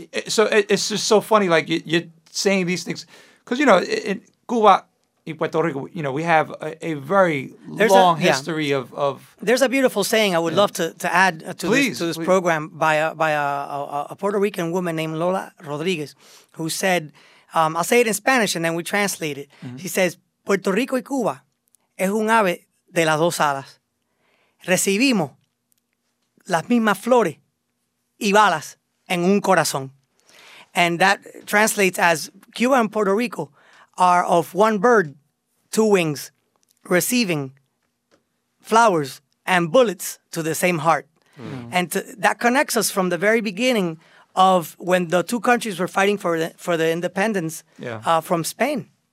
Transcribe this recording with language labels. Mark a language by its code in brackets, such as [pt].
[en] So it's just so funny, like you're saying these things, because, you know, in Cuba, in Puerto Rico, you know, we have a very long history. There's a beautiful saying I would love to add to this program by a Puerto Rican woman named Lola Rodriguez, who said, I'll say it in Spanish and then we translate it. Mm-hmm. She says, [es] Puerto Rico y Cuba es un ave de las dos alas. Recibimos las mismas flores y balas en un corazón. [en] And that translates as Cuba and Puerto Rico are of one bird, two wings, receiving flowers and bullets to the same heart. Mm-hmm. And that connects us from the very beginning of when the two countries were fighting for the independence from Spain.